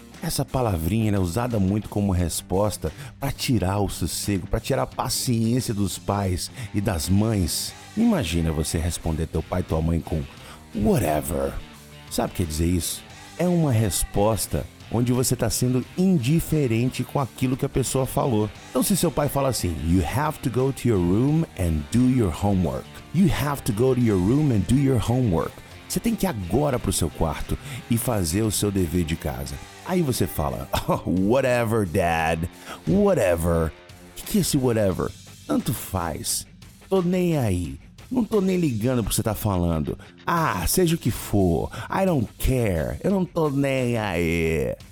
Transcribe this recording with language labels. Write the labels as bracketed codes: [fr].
[pt] Essa palavrinha é usada muito como resposta para tirar o sossego, para tirar a paciência dos pais e das mães. Imagina você responder teu pai e tua mãe com whatever. Sabe o que dizer isso? É uma resposta onde você está sendo indiferente com aquilo que a pessoa falou. Então se seu pai fala assim, [en] you have to go to your room and do your homework. You have to go to your room and do your homework. [pt] Você tem que ir agora para o seu quarto e fazer o seu dever de casa. Aí você fala, [en] oh, whatever, dad, whatever. [pt] O que é esse whatever? Tanto faz. Tô nem aí. Não tô nem ligando pro que você tá falando. Ah, seja o que for. [en] I don't care. [pt] Eu não tô nem aí.